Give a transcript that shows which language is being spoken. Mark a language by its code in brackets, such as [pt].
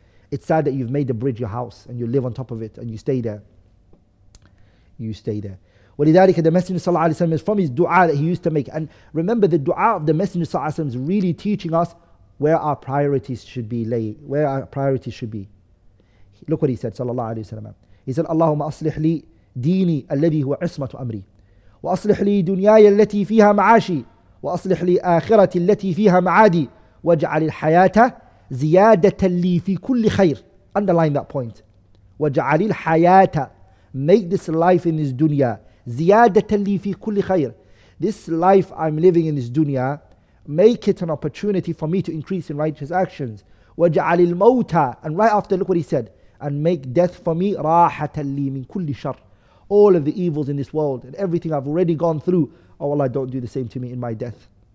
[en] It's sad that you've made the bridge your house and you live on top of it and you stay there. You stay there. وَلِذَٰلِكَ the Messenger sallallahu alayhi wa sallam, is from his dua that he used to make. And remember, the dua of the Messenger sallallahu alayhi wa sallam is really teaching us where our priorities should be laid, where our priorities should be. Look what he said, sallallahu alayhi wa sallam. He said, [ar] اللهم أصلح لي ديني الذي هو عصمة أمري وأصلح لي دنياي التي فيها معاشي وأصلح لي آخرتي التي فيها معادي واجعل الحياة زيادة لي في كل خير. [en] Underline that point. [ar] واجعل الحياة, [en] make this life in this dunya [ar] زيادة لي في كل خير. [en] This life I'm living in this dunya, make it an opportunity for me to increase in righteous actions. [ar] وَجَعَلِ الْمَوْتَى, [en] and right after, look what he said, and make death for me [ar] رَاحَةً لِي مِن كُلِّ شَرْ, [en] all of the evils in this world and everything I've already gone through, oh Allah, don't do the same to me in my death.